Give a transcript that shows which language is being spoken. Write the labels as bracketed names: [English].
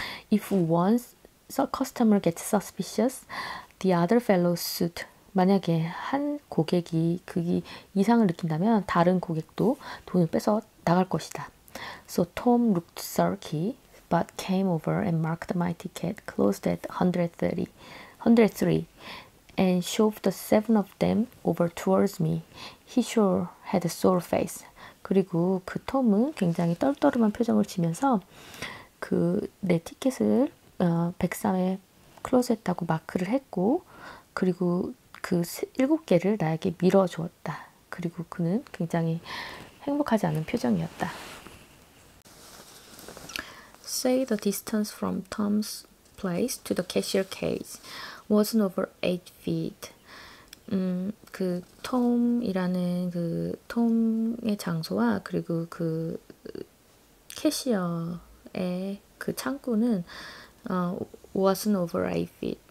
[English] If once a customer gets suspicious, the other fellow suit. [Korean] 만약에 한 고객이 그게 이상을 느낀다면 다른 고객도 돈을 빼서 나갈 것이다. [English] So Tom looked sulky. But came over and marked my ticket, closed at 103, and shoved the seven of them over towards me. He sure had a sore face. [Korean] 그리고 그 톰은 굉장히 떨떠름한 표정을 지면서 그 내 티켓을 103에 클로즈했다고 마크를 했고 그리고 그 일곱 개를 나에게 밀어주었다. 그리고 그는 굉장히 행복하지 않은 표정이었다. [English] Say the distance from Tom's place to the cashier case wasn't over 8 feet. [Korean] 그 톰이라는 그 톰의 장소와 그리고 그 캐시어의 그 창구는 [English] wasn't over 8 feet.